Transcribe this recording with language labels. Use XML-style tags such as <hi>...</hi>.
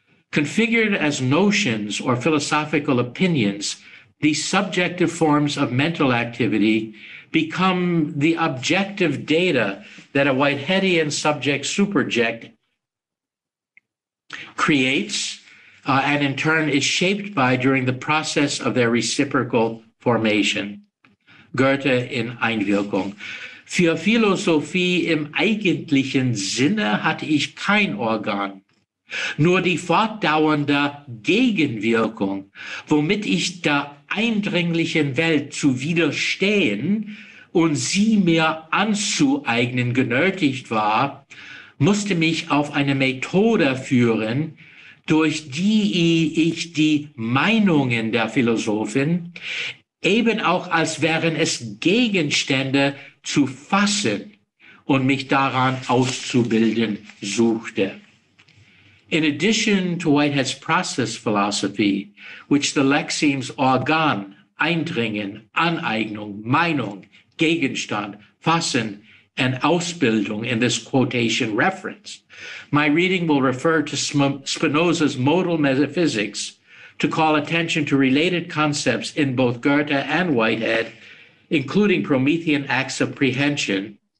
<en>Configured as notions or philosophical opinions, these subjective forms of mental activity become the objective data that a Whiteheadian subject superject creates and in turn is shaped by during the process of their reciprocal formation.</en> <de>Goethe in Einwirkung. Für Philosophie im eigentlichen Sinne hatte ich kein Organ. Nur die fortdauernde Gegenwirkung, womit ich der eindringlichen Welt zu widerstehen und sie mir anzueignen genötigt war, musste mich auf eine Methode führen, durch die ich die Meinungen der Philosophin eben auch als wären es Gegenstände zu fassen und mich daran auszubilden suchte.</de> <en>In addition to Whitehead's process philosophy, which the lexemes Organ, Eindringen, Aneignung, Meinung, Gegenstand, Fassen, and Ausbildung in this quotation reference, my reading will refer to Spinoza's modal metaphysics to call attention to related concepts in both Goethe and Whitehead, including Promethean acts of prehension,</en>